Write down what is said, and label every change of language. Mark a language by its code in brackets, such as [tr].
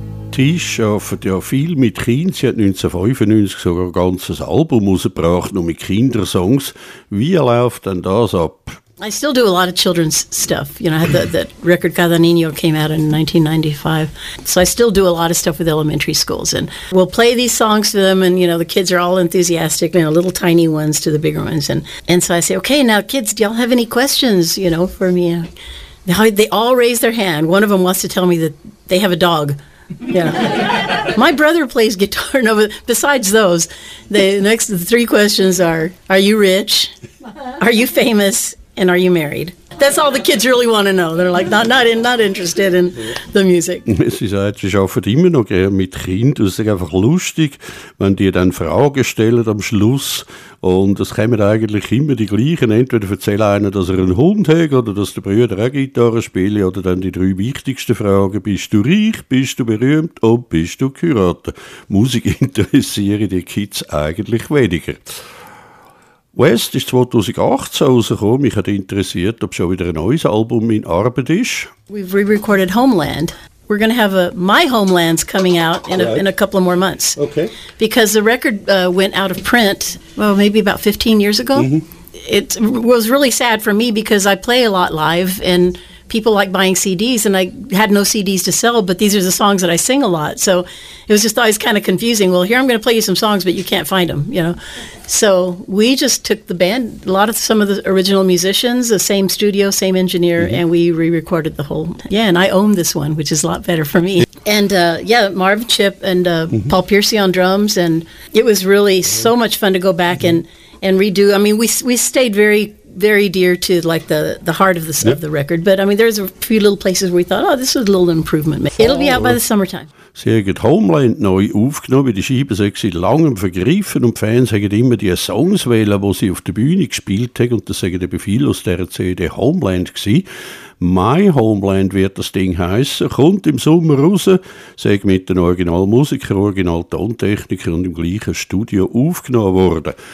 [de] Tisch arbeitet ja viel mit Kindern. Sie hat 1995 sogar ein ganzes Album rausgebracht, nur mit Kindersongs. Wie läuft denn das ab? [en] I still do a lot of children's stuff. You know, I had that record Cada Niño came out in 1995. So I still do a lot of stuff with elementary schools. And we'll play these songs to them, and, you know, the kids are all enthusiastic, you know, little tiny ones to the bigger ones. And so I say, okay, now, kids, do y'all have any questions, you know, for me? They all raise their hand. One of them wants to tell me that they have a dog. Yeah, my brother plays guitar. No, besides those, the three questions are you rich, are you famous, and are you married? That's all the kids really want to know. They're like, not interested in the music. [de] Sie sagt, sie arbeitet immer noch gerne mit Kindern. Es ist einfach lustig, wenn die dann Fragen stellen am Schluss. Und es kommen eigentlich immer die gleichen. Entweder erzählt einer, dass er einen Hund hat oder dass der Bruder auch Gitarre spielt. Oder dann die drei wichtigsten Fragen. Bist du reich? Bist du berühmt? Und bist du geheiratet? Musik interessieren die Kids eigentlich weniger. West ist 2018 rausgekommen. Mich hat interessiert, ob schon wieder ein neues Album in Arbeit ist. [en] We've re-recorded Homeland. We're going to have My Homeland's coming out in a couple of more months. Okay. Because the record went out of print, maybe about 15 years ago. Mm-hmm. It was really sad for me because I play a lot live and people like buying CDs, and I had no CDs to sell, but these are the songs that I sing a lot. So it was just always kind of confusing. Well, here I'm going to play you some songs, but you can't find them, you know. So we just took the band, some of the original musicians, the same studio, same engineer, mm-hmm. and we re-recorded the whole. Yeah, and I own this one, which is a lot better for me. And Marv Chip and mm-hmm. Paul Piercy on drums, and it was really so much fun to go back mm-hmm. and redo. I mean, we stayed very very dear to like the heart of the record, but I mean there's a few little places where we thought, oh, this is a little improvement. It'll be out by the summertime. [de] Sie haben Homeland neu aufgenommen, die Scheibe sei lange vergriffen und die Fans haben immer die Songs wählen, die sie auf der Bühne gespielt haben, und das sagen eben viele aus dieser CD Homeland gewesen. My Homeland wird das Ding heissen, kommt im Sommer raus, sei mit den Originalmusiker, Original-Tontechniker und im gleichen Studio aufgenommen worden.